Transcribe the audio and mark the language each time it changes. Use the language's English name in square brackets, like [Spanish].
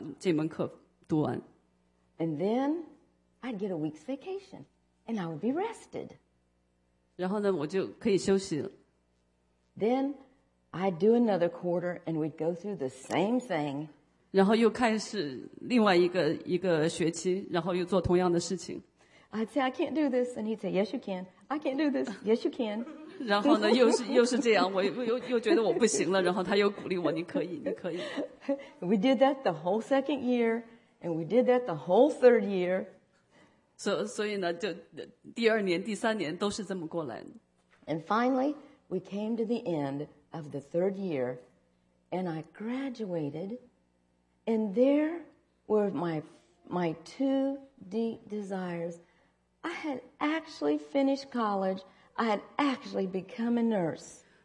[Chinese] 然后呢，我就是每天晚上都熬夜，然后写东西，然后读书学习，然后就那个读完了这两个礼拜，把这门课读完。 [English] And then I'd get a week's vacation, and I would be rested. [Chinese] 然后呢，我就可以休息了。 [English] Then I'd do another quarter, and we'd go through the same thing. [Chinese] 然后又开始另外一个学期，然后又做同样的事情。 [English] I'd say, "I can't do this," and he'd say, "Yes, you can. I can't do this. Yes, you can." [Chinese] 然后呢，又是这样，我又觉得我不行了，然后他又鼓励我，你可以，你可以。 [English] We did that the whole second year, and we did that the whole third year. [Chinese] 所以呢，就第二年、第三年都是这么过来的。 [English] And finally, we came to the end of the third year, and I graduated, and there were my two deep desires. I had actually finished college. I had actually become a nurse.